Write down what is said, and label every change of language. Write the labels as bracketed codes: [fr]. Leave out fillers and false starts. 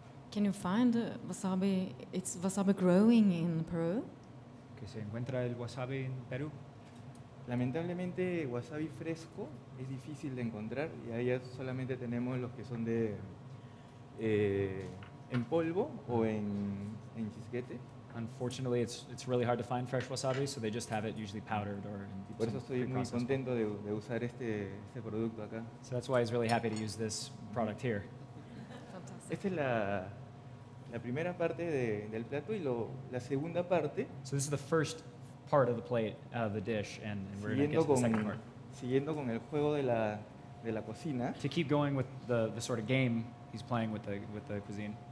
[en] Can you find wasabi? It's wasabi growing in Peru? [es] ¿Que se encuentra el wasabi en Perú? Lamentablemente, wasabi fresco es difícil de encontrar y ahí solamente tenemos los que son de en polvo o en chisquete. [en] Unfortunately, it's really hard to find fresh wasabi, so they just have it usually powdered or in deep. [es] Por eso estoy muy contento de usar este producto acá. [en] So that's why he's really happy to use this product here. [es] Esta es la primera parte del plato y la segunda parte. [en] So this is the first part of the plate, the dish, and we're going to get to the second part. [es] Siguiendo con el juego de la cocina. [en] To keep going with the sort of game he's playing with the cuisine.